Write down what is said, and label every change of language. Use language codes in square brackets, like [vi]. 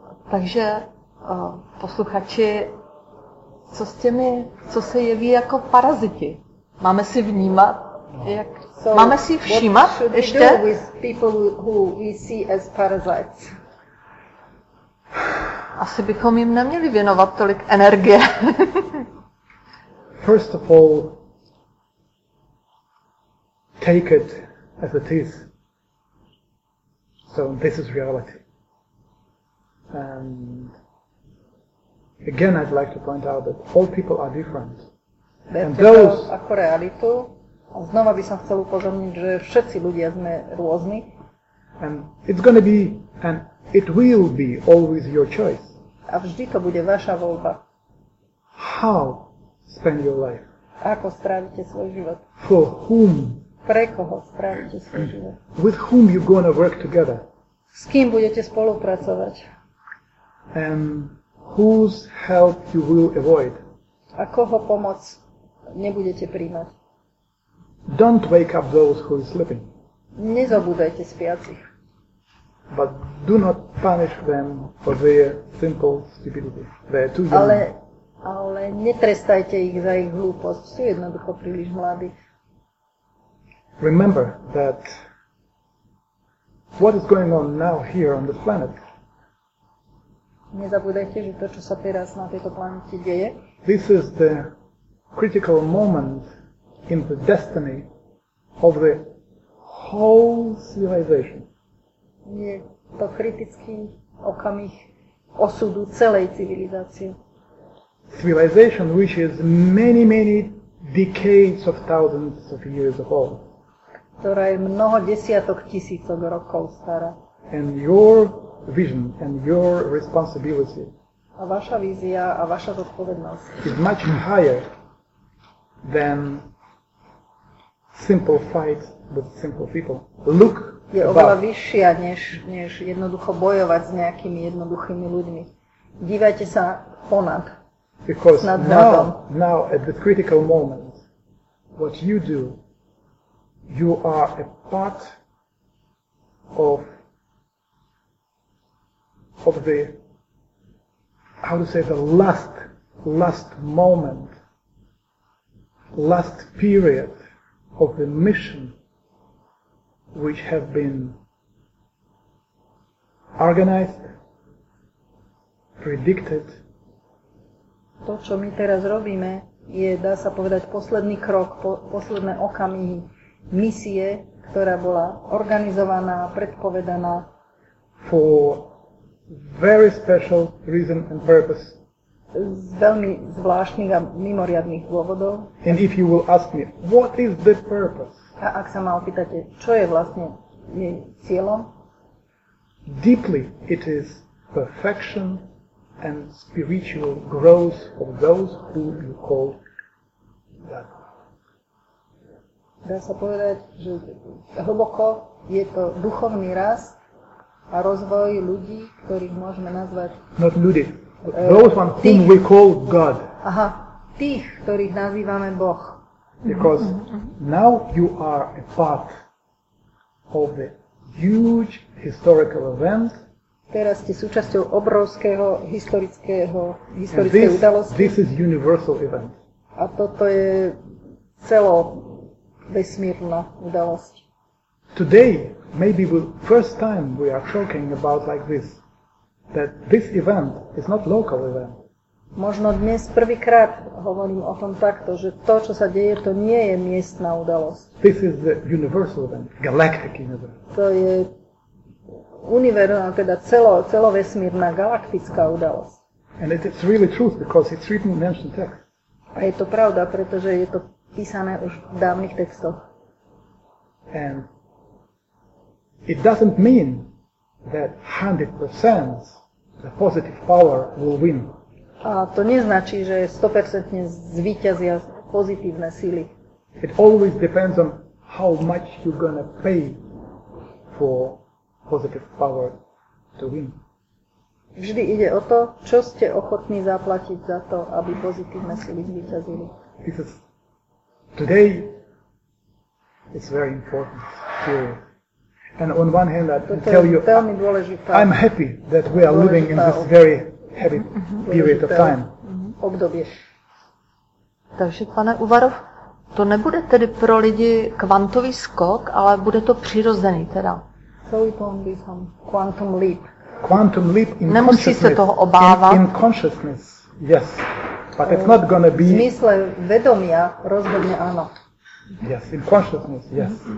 [cs] Takže posluchači, co s těmi, co se jeví jako paraziti? Máme si vnímat, jak, [en] so [cs] máme si všímat ještě? [en] What should we do with people who we see as parasites? [cs] Asi bychom jim neměli věnovat tolik energie. [en] First of all, take it as it is. So this is reality. And again, I'd like to point out that all people are different. [sk] Berte [en] and those [sk] ako realitu. A znova by som chcel upozorniť, že všetci ľudia sme rôzni. [en] And it's going to be, and it will be always your choice. [sk] A vždy to bude vaša voľba. [en] How spend your life? [sk] Ako strávite svoj život? [en] For whom? [sk] Pre koho strávite svoj život? [en] With whom you going to work together? [sk] S kým budete spolupracovať? [en] And whose help you will avoid? [sk] A koho pomoc nebudete príjmať? [en] Don't wake up those who are sleeping. [sk] Nezobudajte spiacich. [en] But do not punish them for their simple stupidity. They are too young. [sk] Ale netrestajte ich za ich hlúposť. Sú jednoducho príliš mladí. [en] Remember that what is going on now here on this planet [sk] Nezabudajte, že to, čo sa teraz na tejto planete deje. [en] This is the critical moment in the destiny of the whole civilization. [sk] Je to kritický okamih osudu celej civilizácie. [en] Civilization which is many, many decades of thousands of years old. [sk] Ktorá je mnoho desiatok tisícok rokov stará. [en] And your vision and your responsibility. [sk] A vaša vízia a vaša zodpovednosť. [en] Is much higher than simple fights with simple people. Look. [sk] Je oveľa vyššia, než jednoducho bojovať s nejakými jednoduchými ľuďmi. Dívajte sa ponad. [en] Because now at this critical moment, what you do, you are a part of the, how to say, the last moment, last period of the mission which have been organized, predicted. [sk] To, čo my teraz robíme, je, dá sa povedať, posledný krok, posledné okamihy misie, ktorá bola organizovaná, predpovedaná. [en] For very special reason and purpose. [sk] Z veľmi zvláštnych a mimoriadnych dôvodov. [en] And if you will ask me, what is the purpose? [sk] A ak sa ma opýtate, čo je vlastne jej cieľom? [en] Deeply it is perfection and spiritual growth of those who you call God. [sk] Dá sa povedať, že hlboko je to duchovný rast a rozvoj ľudí, ktorých môžeme nazvať... [en] Not [sk] ľudí, [en] those one whom we call God. [sk] Aha, tých, ktorých nazývame Boh. [en] Because now you are a part of the huge historical event. [sk] Teraz ste súčasťou obrovského historickej udalosti. [en] This is universal event. [sk] A toto je celo vesmírna udalosť. [en] Today, maybe the first time we are talking about like this, that this event is not local event. [sk] Možno dnes prvýkrát hovorím o tom takto, že to, čo sa deje, to nie je miestna udalosť. [en] This is the universal event, galactic event. [sk] To je univerzálna, teda celovesmírna galaktická udalosť. [en] And it is really truth because it's written in ancient texts. [sk] A je to pravda, pretože je to písané už v dávnych textoch. [en] And it doesn't mean that 100% the positive power will win. [sk] A to neznačí, že 100% zvíťazia pozitívne síly. [en] It always depends on how much you're gonna pay for positive power to win. [sk] Vždy ide o to, čo ste ochotní zaplatiť za to, aby pozitívne síly zvíťazili. [en] This is today it's very important to and on one hand I tell you [sk] veľmi dôležitá, [en] I'm happy that we are living in this very heavy period of time. [sk] Obdobie. [cs] Takže pane Uvarov, to nebude tedy pro lidi kvantový skok, ale bude to přirozený teda. [en] So it won't be some quantum leap. Quantum leap in [sk] nemusí [en] consciousness. [sk] Se toho obávať. [en] In consciousness, yes. But it's not going to be... [sk] V zmysle vedomia rozhodne áno. [en] Yes, in consciousness, yes.